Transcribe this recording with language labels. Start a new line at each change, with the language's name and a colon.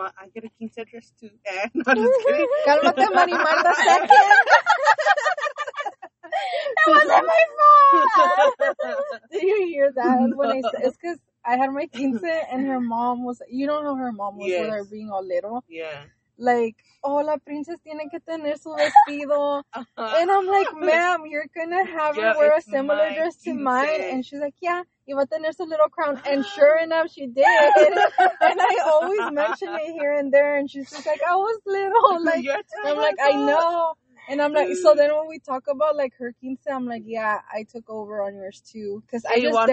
English: I get a quince dress too. Eh, no, just kidding.
Spanish: Cálmate,
English: marimar, the second. That wasn't my fault. Did you hear that? No. When I said, it's because I had my quince and her mom was, you don't know her mom was with her being all little. Yeah. Like, oh,
Spanish: la princesa tiene que tener su vestido.
English: And I'm like, ma'am, you're going to have her wear a similar dress to mine. And she's like, yeah,
Spanish: y va a tener su
English: little crown. And sure enough, she did. And I always mention it here and there. And she's just like, I was little. Like, I'm like, I know. And I'm like, so then when we talk about, like, her quince, I'm like, yeah, I took over on yours, too. Because so I just danced.